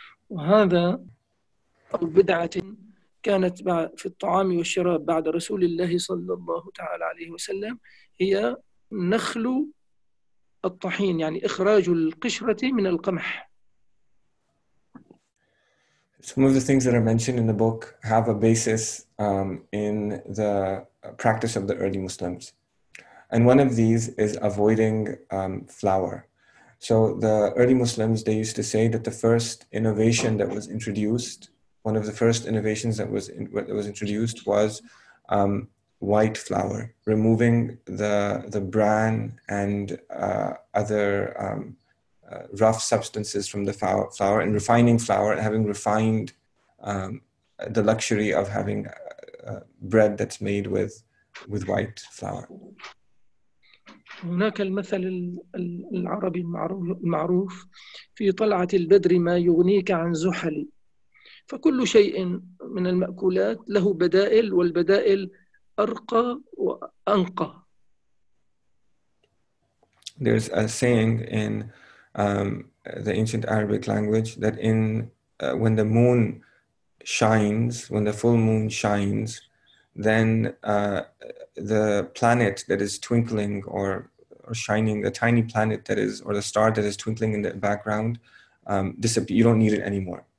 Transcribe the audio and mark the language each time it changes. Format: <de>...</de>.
<ar>وهذا بدعة كانت في الطعام والشراب بعد رسول الله صلى الله تعالى عليه وسلم، هي نخل الطحين، يعني إخراج القشرة من القمح.</ar> <en>Some of the things that are mentioned in the book have a basis in the practice of the early Muslims. And one of these is avoiding flour. So the early Muslims, they used to say that the first innovation that was introduced, one of the first innovations that was introduced was white flour, removing the bran and other rough substances from the flour and refining flour, and having refined the luxury of having bread that's made with white flour.</en> <ar>هناك المثل العربي المعروف في طلعة البدر ما يغنيك عن زحل فكل شيء من المأكولات له بدائل والبدائل أرقى وأنقى.</ar> <en>There's a saying in the ancient Arabic language that in when the moon shines, when the full moon shines, then the planet that is twinkling or shining, the tiny planet that is, or the star that is twinkling in the background, disappear. You don't need it anymore.</en>